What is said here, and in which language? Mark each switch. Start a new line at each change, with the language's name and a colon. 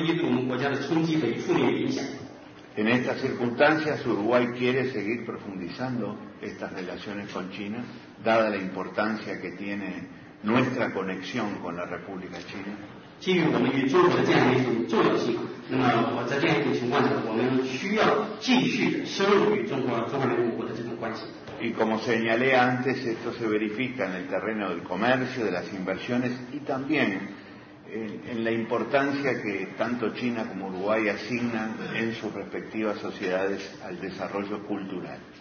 Chinese: 刚刚所说的是一个调节的因素，主要它体现在哪里？因为它使得我们乌拉圭在这样一个危机的时代，那么减少了整个这个全球金融危机对我们国家的冲击和负面影响。
Spanish: En esta circunstancia, Uruguay quiere seguir profundizando estas relaciones con China, dada la importancia que tiene nuestra conexión con la República China.
Chinese: 基于我们与中国的这样一种重要性，那么我在这样一种情况下，我们需要继续的深入与中华人民共和国的这种关系。
Spanish: Y como señalé antes, esto se verifica en el terreno del comercio, de las inversiones y también en la importancia que tanto China como Uruguay asignan en sus respectivas sociedades al desarrollo cultural.